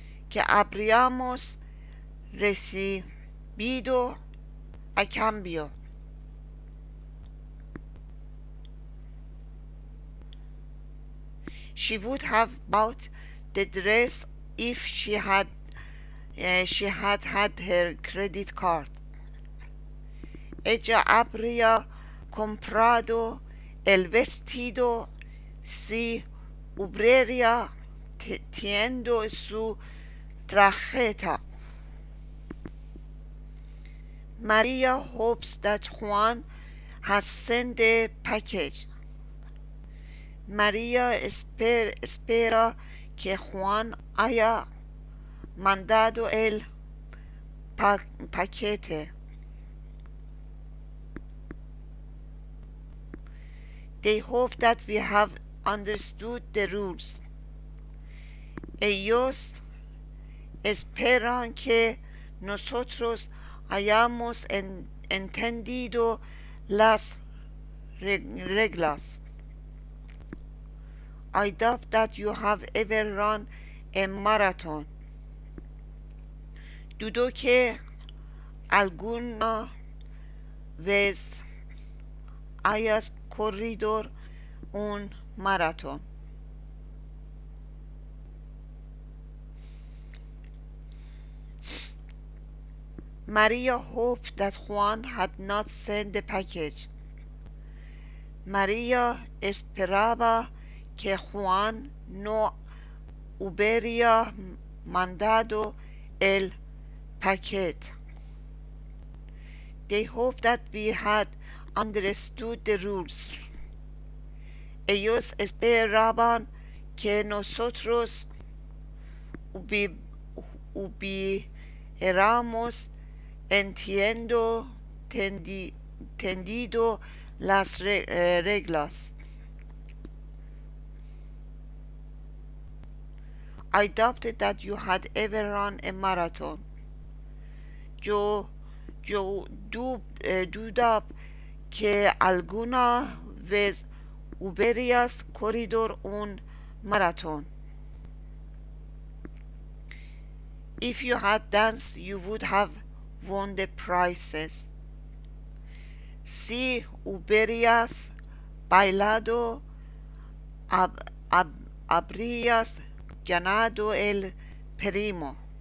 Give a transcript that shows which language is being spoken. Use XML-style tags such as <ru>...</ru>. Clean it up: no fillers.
<es>¿Qué habríamos recibido a cambio?</es> <en>She would have bought the dress if she had had her credit card.</en> <es>Ella habría comprado el vestido si hubiera tenido su tarjeta.</es> <en>Maria hopes that Juan has sent the package.</en> <es>Maria espera que Juan haya mandado el paquete.</es> <en>They hope that we have understood the rules.</en> <es>Ellos esperan que nosotros hayamos entendido las reglas.</es> <en>I doubt that you have ever run a marathon.</en> <es>Dudo que alguna vez hayas corrido un maratón.</es> <en>Maria hoped that Juan had not sent the package.</en> <es>Maria esperaba que Juan no hubiera mandado el paquete.</es> <en>They hoped that we had understood the rules.</en> <es>Ellos esperaban que nosotros hubiéramos entendido las reglas.</es> <en>I doubted that you had ever run a marathon.</en> <es>Yo dudaba que alguna vez hubieras corrido un maratón.</es> <en>If you had danced, you would have won the prizes.</en> <es>Si hubieras bailado, habrías ganado el premio.</es>